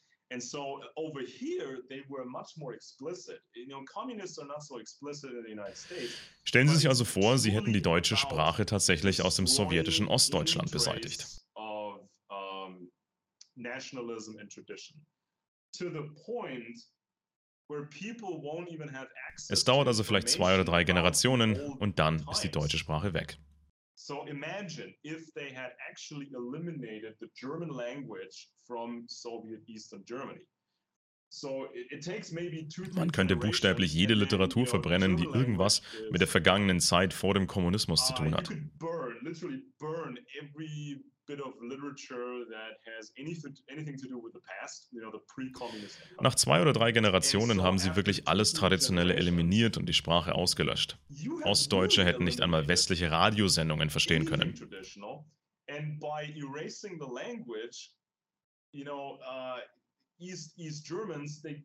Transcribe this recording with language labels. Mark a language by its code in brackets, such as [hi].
[en] And so over here they were much more explicit. You know, communists are not so explicit in the United States. [de] Stellen Sie sich also vor, sie hätten die deutsche Sprache tatsächlich aus dem sowjetischen Ostdeutschland beseitigt. [en] Of nationalism and tradition to the point where people won't even have access. [de] Es dauert also vielleicht 2 oder 3 Generationen und dann ist die deutsche Sprache weg. [en] So imagine if they had actually eliminated the German language from Soviet Eastern Germany. So it takes maybe 2-3 [de] Man könnte buchstäblich jede Literatur verbrennen, die irgendwas mit der vergangenen Zeit vor dem Kommunismus zu tun hat. [en] Literally burn every bit of literature that has anything to do with the past, you know, the pre-communist. [de] Nach 2 oder 3 Generationen haben sie wirklich alles Traditionelle eliminiert und die Sprache ausgelöscht. Ostdeutsche hätten nicht einmal westliche Radiosendungen verstehen können. [en] And by erasing the language, you know, East Germans,